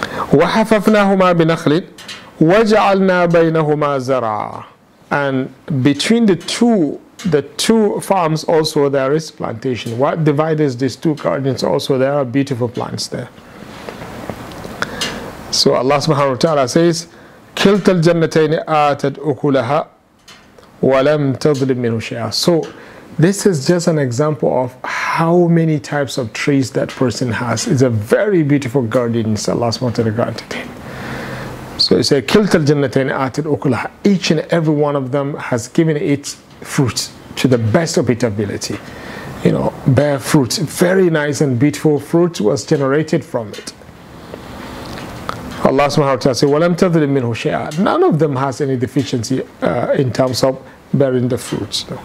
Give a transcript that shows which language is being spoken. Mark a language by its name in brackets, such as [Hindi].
[Arabic] وَحَفَفْنَاهُمَا بِنَخْلٍ وَجَعَلْنَا بَيْنَهُمَا زَرَعًا. [English] And between the two farms also there is plantation. What divides these two gardens also, there are beautiful plants there. So Allah subhanahu wa ta'ala says, [Arabic] كِلْتَ الْجَنَّتَيْنِ آتَتْ أُكُلَهَا وَلَمْ تَظْلِمْ مِنْهُ شَيْئًا. [English] So this is just an example of how many types of trees that person has. It's a very beautiful garden Allah subhanahu wa ta'ala granted him. So he said, [Arabic] كِلْتَ الْجَنَّتَيْنِ آتَتْ أُكُلَهَا. [English] Each and every one of them has given its fruit to the best of its ability. You know, bear fruit, very nice and beautiful fruit was generated from it. Allah subhanahu wa ta'ala said, [Arabic] وَلَمْ تَظْلِمْ مِنْهُ شَيْئًا. [English] None of them has any deficiency in terms of bearing the fruits.